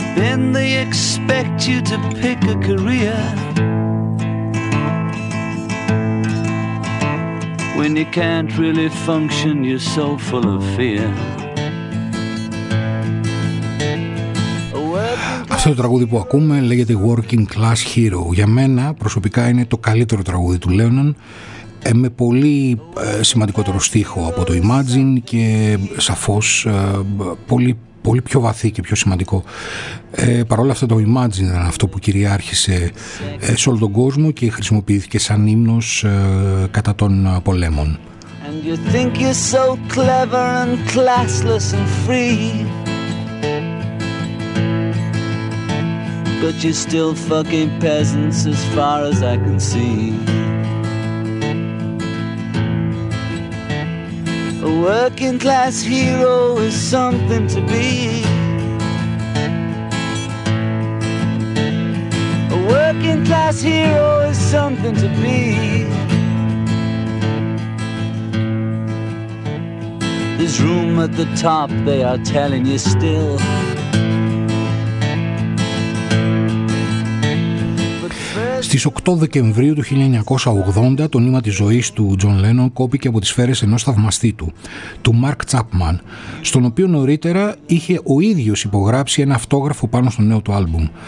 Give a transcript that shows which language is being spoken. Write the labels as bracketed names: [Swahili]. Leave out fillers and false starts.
[English] when they expect you to pick a career. When you can't really function, you're so full of fear. [Greek] Αυτό το τραγούδι που ακούμε λέγεται Working Class Hero. Για μένα προσωπικά είναι το καλύτερο τραγούδι του Λένον, με πολύ σημαντικότερο στίχο από το Imagine και σαφώς πολύ, πολύ πιο βαθύ και πιο σημαντικό. Παρ' όλα αυτά το Imagine ήταν αυτό που κυριάρχησε σε όλο τον κόσμο και χρησιμοποιήθηκε σαν ύμνος κατά των πολέμων. [English] And you think you're so clever and classless and free. But you're still fucking peasants as far as I can see. A working class hero is something to be. A working class hero is something to be. There's room at the top, they are telling you still. [Greek] Στις 8 Δεκεμβρίου του 1980 το νήμα της ζωής του Τζον Λένον κόπηκε από τις σφαίρες ενός θαυμαστή του, του Μαρκ Τσάπμαν, στον οποίο νωρίτερα είχε ο ίδιος υπογράψει ένα αυτόγραφο πάνω στο νέο του άλμπουμ.